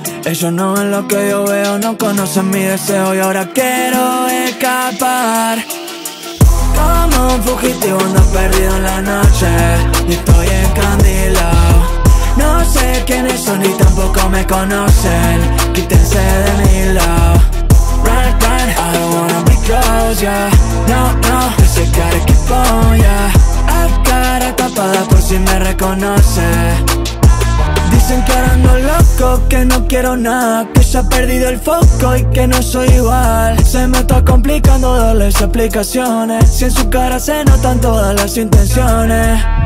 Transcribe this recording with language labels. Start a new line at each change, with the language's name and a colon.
Spanish: Ellos no ven lo que yo veo, no conocen mi deseo y ahora quiero escapar. Como un fugitivo ando perdido en la noche y estoy encandilado. No sé quiénes son y tampoco me conocen. Quítense de mi lado.
English: Right, right, I don't wanna be close, yeah.
Spanish: No, no, ese cara que pongo, yeah. A cara tapada por si me reconoce. Dicen que ahora ando loco, que no quiero nada. Que ya he perdido el foco y que no soy igual. Se me está complicando darles explicaciones. Si en su cara se notan todas las intenciones.